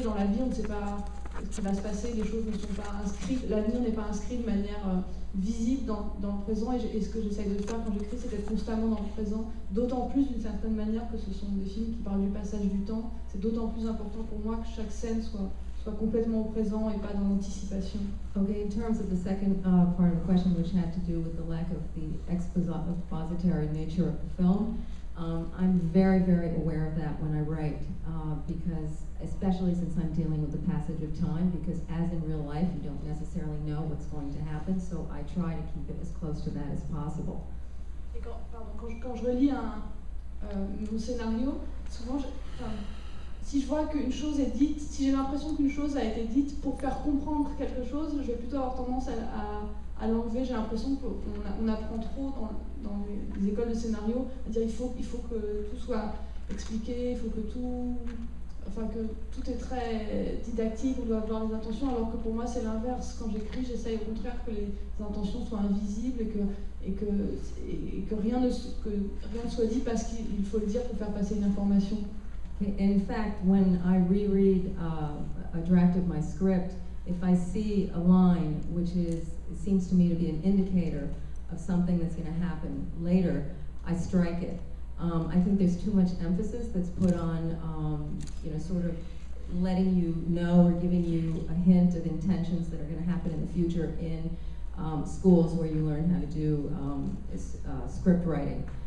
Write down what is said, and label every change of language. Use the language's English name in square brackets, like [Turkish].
[French] Dans la vie, on ne sait pas ce qui va se passer, les choses ne sont pas inscrites, l'avenir n'est pas inscrit de manière visible dans le présent, et ce que j'essaye de faire quand j'écris, c'est d'être constamment dans le présent, d'autant plus d'une certaine manière que ce sont des films qui parlent du passage du temps. C'est d'autant plus important pour moi que chaque scène soit soit complètement au présent et pas dans l'anticipation. [English] Okay, in terms of the second part of the question, which had to do with the lack of the expository nature of the film, I'm very, very aware of that when I write, because especially since I'm dealing with the passage of time, because as in real life, you don't necessarily know what's going to happen, so I try to keep it as close to that as possible. [French] Et quand, pardon, quand je relis mon scénario, souvent, si je vois qu'une chose est dite, si j'ai l'impression qu'une chose a été dite pour faire comprendre quelque chose, je vais plutôt avoir tendance à l'enlever. J'ai l'impression qu'on apprend trop dans les écoles de scénario à dire il faut que tout soit expliqué, il faut que tout est très didactique, on doit avoir des intentions, alors que pour moi c'est l'inverse. Quand j'écris, j'essaye au contraire que les intentions soient invisibles et que rien ne soit dit parce qu'il faut le dire pour faire passer une information. [English] And in fact, when I reread a draft of my script, if I see a line which seems to me to be an indicator of something that's going to happen later, I strike it. I think there's too much emphasis that's put on, sort of letting you know or giving you a hint of intentions that are going to happen in the future in schools where you learn how to do script writing.